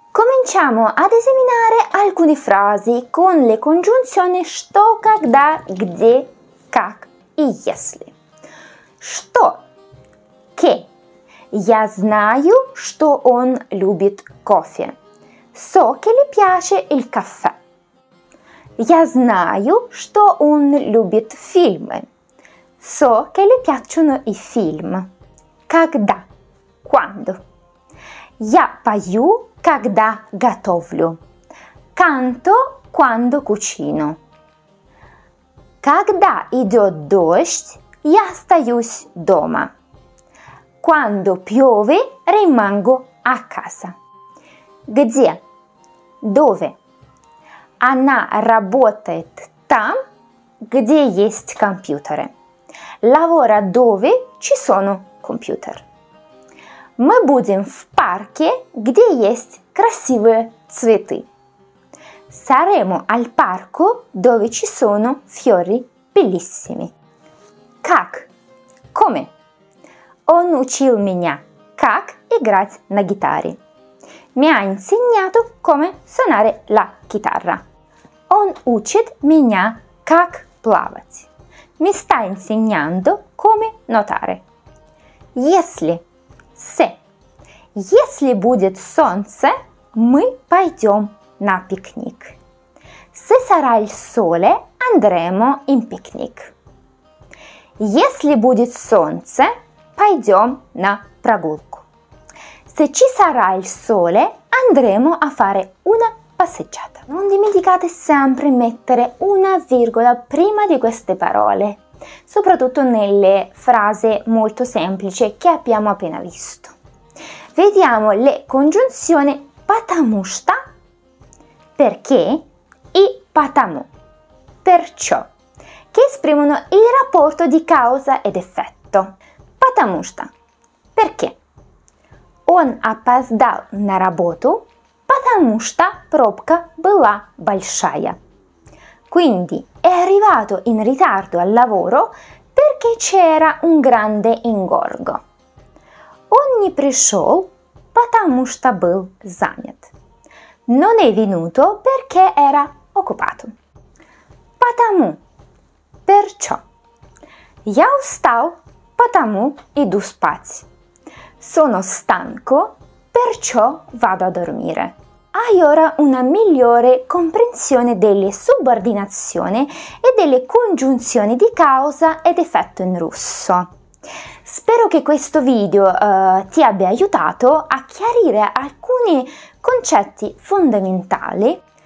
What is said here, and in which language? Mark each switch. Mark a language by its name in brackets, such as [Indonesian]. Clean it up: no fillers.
[Italian] Cominciamo ad esaminare alcune frasi con le congiunzioni «что», «когда», «где», «как» e «если». [Russian] «Что» – «che». «Я знаю, что он любит кофе». [Italian] «So che gli piace il caffè». [Russian] «Я знаю, что он любит фильмы». [Italian] «So che gli piacciono i film». «Когда» – «quando». [Russian] «Я пою, когда готовлю». «Canto quando cucino». «Когда идет дождь, я остаюсь дома». [Italian] «Quando piove, rimango a casa». «Где» – «dove». [Russian] «Она работает там, где есть компьютеры». [Italian] Lavora dove ci sono computer. [Russian] Мы будем в парке, где есть красивые цветы. [Italian] Saremo al parco, dove ci sono fiori bellissimi. Как? Come? [Russian] Он учил меня, как играть на гитаре. [Italian] Mi ha insegnato come suonare la chitarra. [Russian] Он учит меня, как плавать. [Italian] Mi sta insegnando come nuotare. Если. Se. [Russian] Если будет солнце, мы пойдем на пикник. [Italian] Se sarà il sole, andremo in picnic. [Russian] Если будет солнце, пойдем на прогулку. [Italian] Se ci sarà il sole, andremo a fare una passeggiata. Non dimenticate sempre mettere una virgola prima di queste parole, soprattutto nelle frasi molto semplici che abbiamo appena visto. Vediamo le congiunzioni «потому что» – «perché» e «потому» – «perciò», che esprimono il rapporto di causa ed effetto. [Russian] «Потому что» – «perché» – «он опоздал на работу» – «потому что пробка была большая». [Italian] Quindi è arrivato in ritardo al lavoro perché c'era un grande ingorgo. [Russian] Он не пришел, потому что был занят. [Italian] Non è venuto perché era occupato. Потому, perciò. [Russian] Я устал, потому иду спать. [Italian] Sono stanco, perciò vado a dormire. Hai ora una migliore comprensione delle subordinazioni e delle congiunzioni di causa ed effetto in russo. Spero che questo video ti abbia aiutato a chiarire alcuni concetti fondamentali.